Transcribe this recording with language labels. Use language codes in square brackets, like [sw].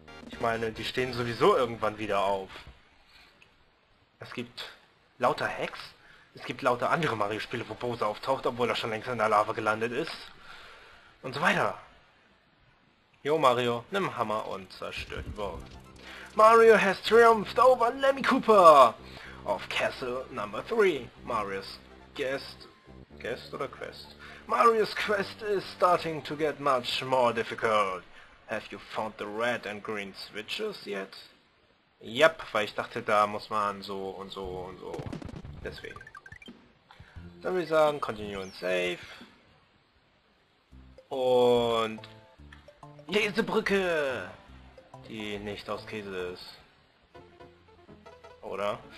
[de] Ich meine, die stehen sowieso irgendwann wieder auf. Es gibt lauter Hacks, es gibt lauter andere Mario-Spiele, wo Bowser auftaucht, obwohl er schon längst in der Lava gelandet ist. Und so weiter. Jo Mario, nimm Hammer und zerstör die Burg. [en] Mario has triumphed over Lemmy Cooper of Castle Number 3. Mario's Guest oder Quest? Mario's Quest is starting to get much more difficult. Have you found the red and green switches yet? [de] Yep, weil ich dachte, da muss man so und so und so. Deswegen. Dann würde ich sagen, [en] continue and save. [de] Und Käsebrücke, die nicht aus Käse ist, oder?